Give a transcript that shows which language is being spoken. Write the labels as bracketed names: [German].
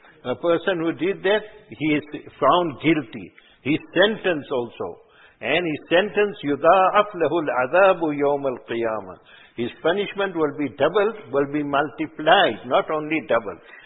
[English] A person who did that, he is found guilty. His sentence also. And his sentence, [Arabic] يُضَاعَفْ لَهُ الْعَذَابُ يَوْمَ الْقِيَامَةِ. [English] His punishment will be doubled, will be multiplied, not only doubled.